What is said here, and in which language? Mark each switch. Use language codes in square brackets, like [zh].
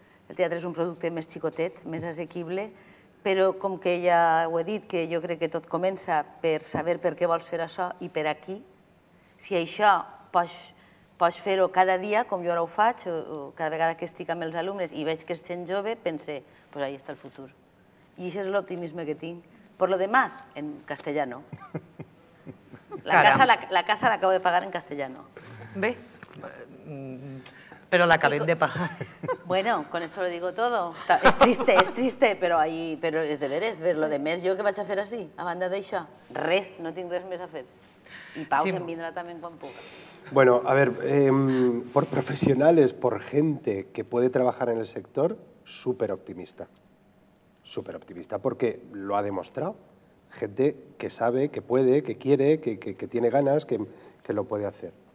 [ca] El teatre és un producte més xicotet, més assequible, però com que ja ho he dit, que jo crec que tot comença per saber per què vols fer això i per a qui, si això pots fer-ho cada dia, com jo ara ho faig, o cada vegada que estic amb els alumnes i veig que és gent jove, pense, [es] pues ahí està el futur. [ca] I això és l'optimisme que tinc. [es] Per lo demás, en castellano. [ca] La casa l'acabo de pagar [es] en castellano. [ca] Bé, però l'acabem de pagar. [es] Bueno, con esto lo digo todo. Es triste, però ahí, pero es de veres. Sí. [ca] Lo demés, jo què vaig a fer així, a banda d'això? Res, no tinc res més a fer. I Pau se'n vindrà també quan puga. [es] Bueno, a ver, por profesionales, por gente que puede trabajar en el sector, súper optimista. Súper optimista, porque lo ha demostrado. Gente que sabe, que puede, que quiere, que tiene ganas, que lo puede hacer.